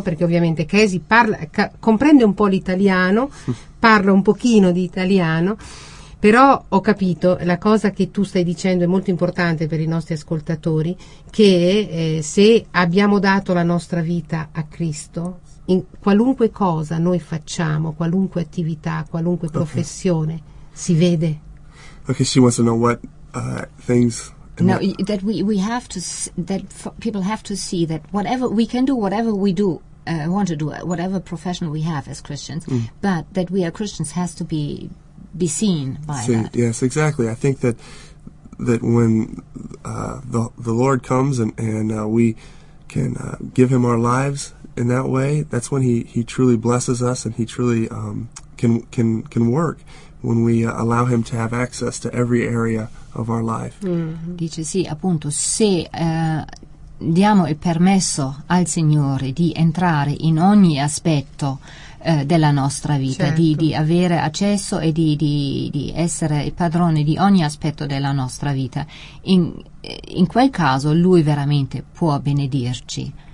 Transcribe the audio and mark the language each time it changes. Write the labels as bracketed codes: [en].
[it] Perché ovviamente Casey comprende un po' l'italiano, parla un pochino di italiano, però ho capito, la cosa che tu stai dicendo è molto importante per i nostri ascoltatori, che se abbiamo dato la nostra vita a Cristo, in qualunque cosa noi facciamo, qualunque attività, qualunque professione, okay, si vede. [en] Ok, she wants to know what things... No, that we have to, that people have to see that whatever we can do, whatever we do, want to do, whatever profession we have as Christians, but that we are Christians has to be seen by see, that. Yes, exactly. I think that when the Lord comes and we can give Him our lives, in that way, that's when he truly blesses us, and he truly can work when we allow him to have access to every area of our life. Mm-hmm. [it] Dice sì, appunto, se diamo il permesso al Signore di entrare in ogni aspetto della nostra vita, certo. di avere accesso e di essere il padrone di ogni aspetto della nostra vita, in quel caso lui veramente può benedirci.